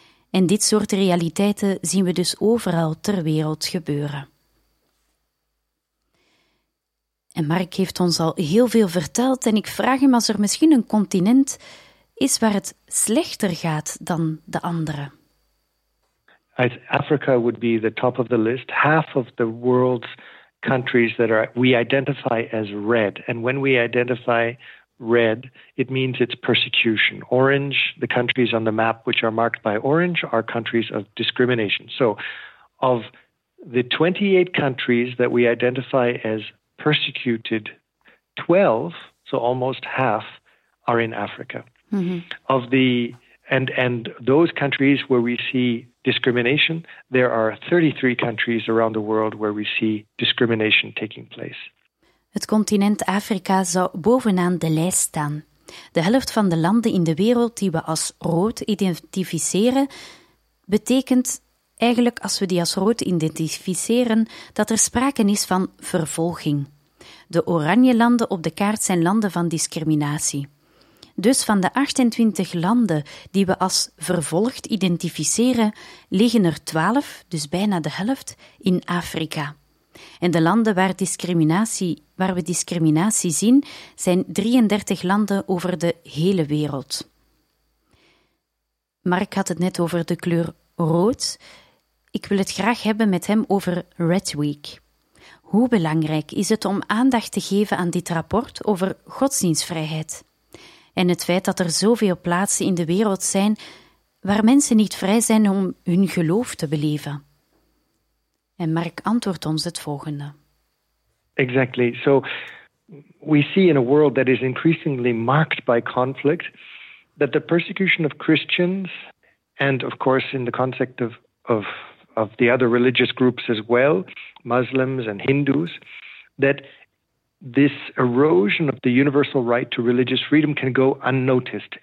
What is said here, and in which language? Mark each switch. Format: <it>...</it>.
<nl>En dit soort realiteiten zien we dus overal ter wereld gebeuren. En Mark heeft ons al heel veel verteld en ik vraag hem als er misschien een continent is waar het slechter gaat dan de andere.</nl> <en>Africa would be the top of the list. Half of the world's countries that are we identify as red. And when we identify red, it means it's persecution. Orange, the countries on the map which are marked by orange, are countries of discrimination. So of the 28 countries that we identify as persecuted, 12, so almost half are in Africa. Mm-hmm. Of the and those countries where we see discrimination, there are 33 countries around the world where we see discrimination taking place.</en> <nl>Het continent Afrika zou bovenaan de lijst staan. De helft van de landen in de wereld die we als rood identificeren, betekent eigenlijk, als we die als rood identificeren, dat er sprake is van vervolging. De oranje landen op de kaart zijn landen van discriminatie. Dus van de 28 landen die we als vervolgd identificeren, liggen er 12, dus bijna de helft, in Afrika. En de landen waar we discriminatie zien, zijn 33 landen over de hele wereld. Mark had het net over de kleur rood. Ik wil het graag hebben met hem over Red Week. Hoe belangrijk is het om aandacht te geven aan dit rapport over godsdienstvrijheid? En het feit dat er zoveel plaatsen in de wereld zijn waar mensen niet vrij zijn om hun geloof te beleven. En Mark antwoordt ons het volgende.</nl> <en>Exactly. So we see in a world that is increasingly marked by conflict that the persecution of Christians and of course in the context of the other religious groups as well, Muslims and Hindus, that this erosion of the universal right to religious freedom can go unnoticed.</en>